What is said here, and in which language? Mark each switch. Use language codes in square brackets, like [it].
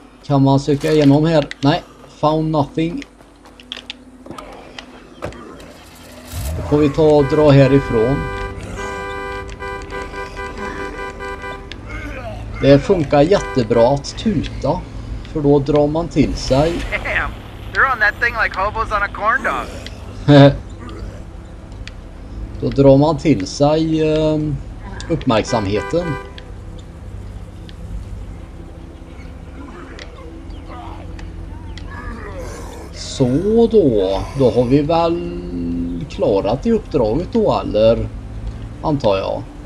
[sv] Kan man söka igenom här? Nej, [en] found nothing. [sv] Då får vi ta och dra härifrån. Det funkar jättebra att tuta, för då drar man till sig. [en] Damn, they're on that thing like hobos on a corn dog. [sv] Då drar man till sig uppmärksamheten. Så då har vi väl klarat det uppdraget då, eller antar jag.